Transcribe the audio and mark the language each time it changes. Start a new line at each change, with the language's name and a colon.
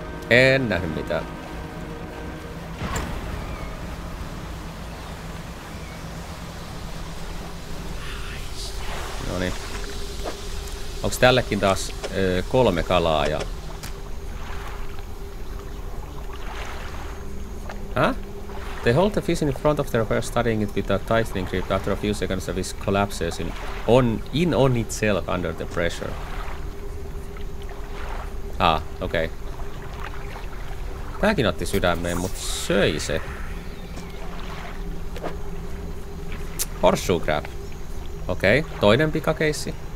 Finnish: En nähnyt mitään. Onks tällekin taas kolme kalaa ja... Häh?
English: They hold the fish in front of their aquarium, studying it with a tightening grip after a few seconds of its collapses in on itself under the pressure.
Finnish: Ah, okei. Okay. Tääkin otti sydämeen, mut söi se. Horseshoe crab. Okei, okay. Toinen pikakeissi.